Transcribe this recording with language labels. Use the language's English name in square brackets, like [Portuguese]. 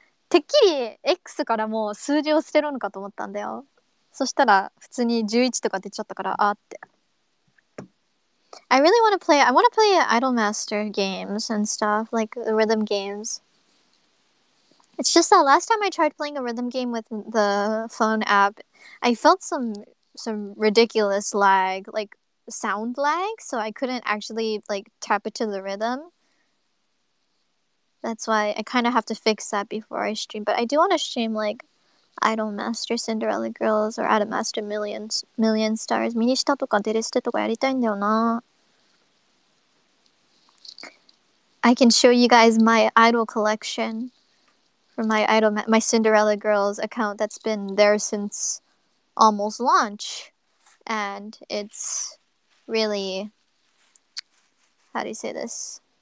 [Japanese] てっきり X からもう数字を捨てるのかと思ったんだよ。そしたら普通に11とか出ちゃったから、あーって。 [English] I want to play Idolmaster games and stuff, like the rhythm games. It's just that last time I tried playing a rhythm game with the phone app, I felt some ridiculous lag, like sound lag, so I couldn't actually like tap it to the rhythm. That's why I kind of have to fix that before I stream. But I do want to stream like Idolmaster, Cinderella Girls, or Idolmaster Million Stars. [Japanese] ミニシタとかデレステとかやりたいんだよな。 [English] I can show you guys my idol collection from my idol, my Cinderella Girls account that's been there since almost launch. And it's really, how do you say this?